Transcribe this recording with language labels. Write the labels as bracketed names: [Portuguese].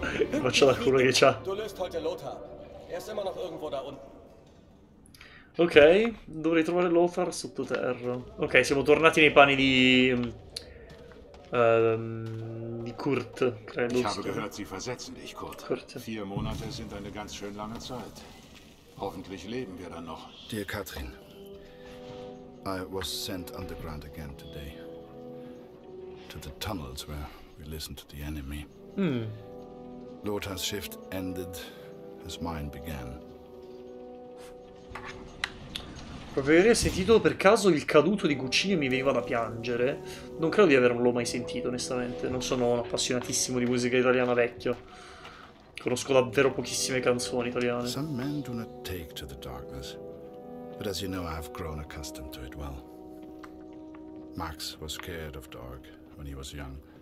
[German] Faccio la culo che c'ha. Du löst heute Lothar. Ist immer noch irgendwo da unten. [Italian] Ok, dovrei trovare Lothar sottoterra. Ok, siamo tornati nei panni di Kurt, credo. [German] Ich habe gehört, sie versetzen dich, Kurt. Vier Monate sind eine ganz schön lange Zeit. Hoffentlich leben wir dann noch. [English] Dear Katrin, I was sent underground again today. To the tunnels where we listened to the enemy. Lothar's shift ended as mine began. [Italian] Proprio avrei sentito per caso il caduto di Gucci e mi veniva da piangere. Non credo di averlo mai sentito, onestamente. Non sono un appassionatissimo di musica italiana vecchia. Conosco davvero pochissime canzoni italiane. [English] Some men do not take to the darkness, but as you know, I've grown accustomed to it well. Max was scared of dark when he was young.